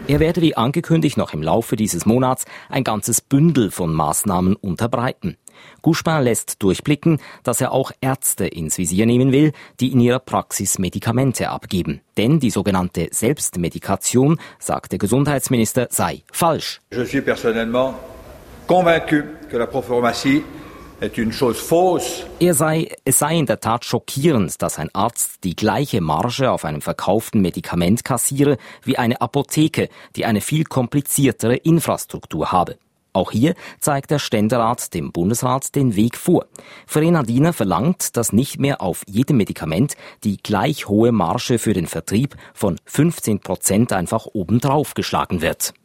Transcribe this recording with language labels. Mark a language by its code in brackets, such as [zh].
[de] Er werde wie angekündigt noch im Laufe dieses Monats ein ganzes Bündel von Massnahmen unterbreiten. Couchepin lässt durchblicken, dass er auch Ärzte ins Visier nehmen will, die in ihrer Praxis Medikamente abgeben. Denn die sogenannte Selbstmedikation, sagt der Gesundheitsminister, sei falsch. [fr] Je suis personnellement convaincu que la prophormatie est une chose fausse. [de] Es sei in der Tat schockierend, dass ein Arzt die gleiche Marge auf einem verkauften Medikament kassiere wie eine Apotheke, die eine viel kompliziertere Infrastruktur habe. Auch hier zeigt der Ständerat dem Bundesrat den Weg vor. Verena Diener verlangt, dass nicht mehr auf jedem Medikament die gleich hohe Marge für den Vertrieb von 15% einfach obendrauf geschlagen wird.